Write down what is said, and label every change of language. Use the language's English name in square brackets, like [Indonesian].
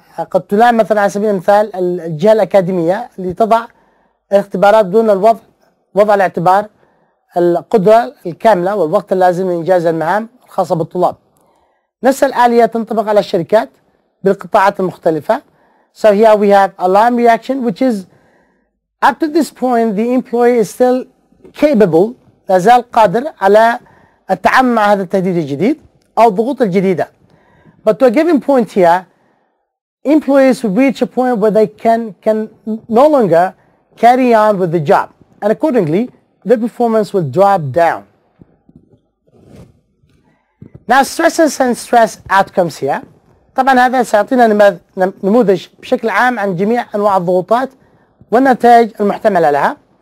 [Arabic] قد تلام مثلا على سبيل المثال الجهة الأكاديمية اللي تضع الاختبارات دون وضع الاعتبار القدرة الكاملة والوقت اللازم لإنجاز المهام الخاصة بالطلاب نفس الآلية تنطبق على الشركات بالقطاعات المختلفة [English] So here we have alarm reaction which is up to this point the employee is still capable [Arabic] لا زال قادر على التعامل مع هذا التهديد الجديد أو الضغوط الجديدة. [English] But to a given point here, employees who reach a point where they can no longer carry on with the job, and accordingly, their performance will drop down. Now, stresses and stress outcomes here. [Arabic] طبعا هذا سيعطينا نموذج بشكل عام عن جميع أنواع الضغوطات والنتائج المحتملة لها.